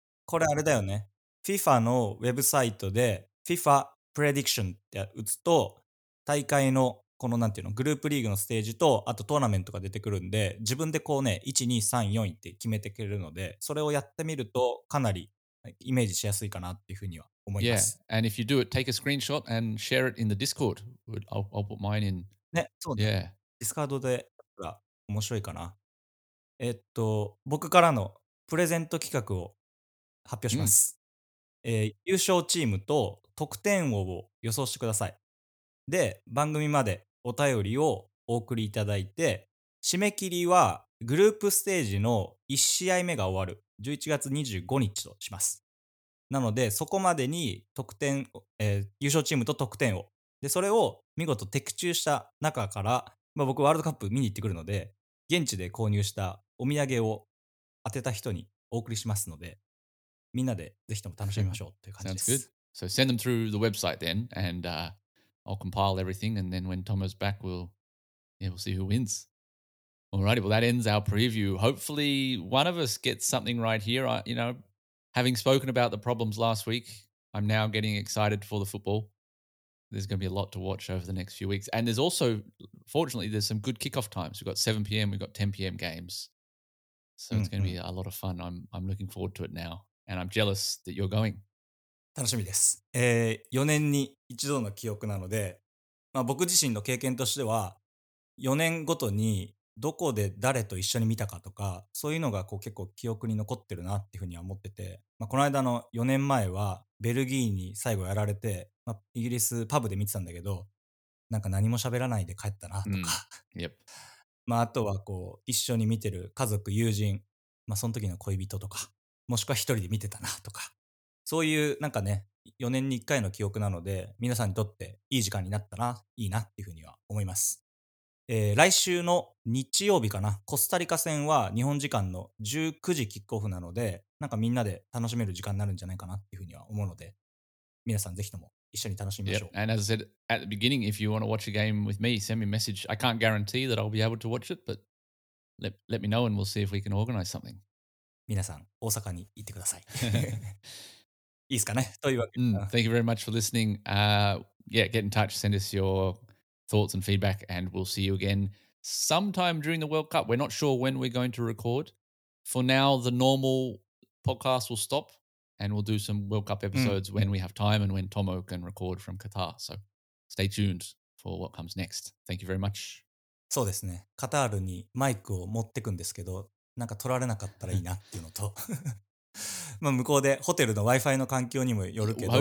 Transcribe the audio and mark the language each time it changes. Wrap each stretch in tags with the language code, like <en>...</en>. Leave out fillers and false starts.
<ja>これあれだよね。 FIFA のウェブサイトで FIFA prediction って打つと大会のこのなんていうのグループリーグのステージとあとトーナメントが出てくるんで自分でこうね 1,2,3,4 って決めてくれるのでそれをやってみるとかなりイメージしやすいかなっていうふうには思います。</ja> <en>Yeah, and if you do it, take a screenshot and share it in the Discord. I'll put mine in.</en> <ja>ね、そうね。 Discord で面白いかな。僕からのプレゼント企画を発表します。優勝チームと得点王を予想してください。で、番組までお便りをお送りいただいて、締め切りはグループステージの1試合目が終わる11月25日とします。なので、そこまでに得点、優勝チームと得点を。で、それを見事的中した中から、まあ、僕ワールドカップ見に行ってくるので、現地で購入したお土産を当てた人にお送りしますので、みんなでぜひとも楽しみましょうという感じです。</ja> <en>Sounds good. So send them through the website then, andI'll compile everything, and then when Tomo's back, we'll see who wins. Alrighty, well, that ends our preview. Hopefully, one of us gets something right here. You know, having spoken about the problems last week, I'm now getting excited for the football. There's going to be a lot to watch over the next few weeks. And there's also, fortunately, there's some good kickoff times. We've got 7 p.m., we've got 10 p.m. games. So it's going to be a lot of fun. I'm looking forward to it now. And I'm jealous that you're going.</en> <ja>楽しみです、4年に一度の記憶なので、まあ、僕自身の経験としては4年ごとにどこで誰と一緒に見たかとかそういうのがこう結構記憶に残ってるなっていうふうには思ってて、まあ、この間の4年前はベルギーに最後やられて、まあ、イギリスパブで見てたんだけどなんか何も喋らないで帰ったなとか、</ja> <en>yep.</en> <ja>まあ、あとはこう一緒に見てる家族友人、まあ、その時の恋人とかもしくは一人で見てたなとかそういうなんかね4年に1回の記憶なので皆さんにとっていい時間になったらいいなっていうふうには思います、来週の日曜日かなコスタリカ戦は日本時間の19時キックオフなのでなんかみんなで楽しめる時間になるんじゃないかなっていうふうには思うので皆さんぜひとも一緒に楽しみましょう、</ja> <en>yep. And as I said at the beginning if you want to watch a game with me send me a message I can't guarantee that I'll be able to watch it but let me know and we'll see if we can organize something</en> <ja>皆さん大阪に行ってくださいいいですかね、というわけで。</ja> <en>Thank you very much for listening. Yeah, get in touch, send us your thoughts and feedback, and we'll see you again sometime during the World Cup. We're not sure when we're going to record. For now, the normal podcast will stop, and we'll do some World Cup episodes when we have time and when Tomo can record from Qatar. So stay tuned for what comes next. Thank you very much.</en> <ja>そうですね。カタールにマイクを持ってくんですけど、なんか取られなかったらいいなっていうのと。まあ、向こうでホテルの Wi-Fi の環境にもよるけど、</ja>